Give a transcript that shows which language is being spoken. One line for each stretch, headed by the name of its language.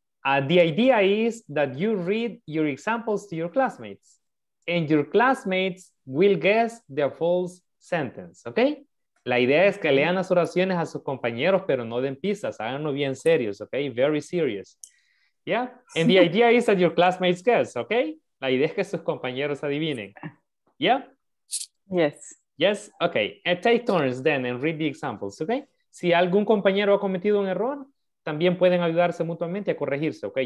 English: The idea is that you read your examples to your classmates and your classmates will guess the false sentence, okay?
Spanish: La idea es que lean las oraciones a sus compañeros, pero no den pistas, háganlo bien serios, okay?
English: Very serious, yeah? And the idea is that your classmates guess, okay?
Spanish: La idea es que sus compañeros adivinen. Yeah?
English: Yes. Yes? Okay. And take turns then and read the examples, okay?
Spanish: Si algún compañero ha cometido un error, también pueden ayudarse mutuamente a corregirse, okay?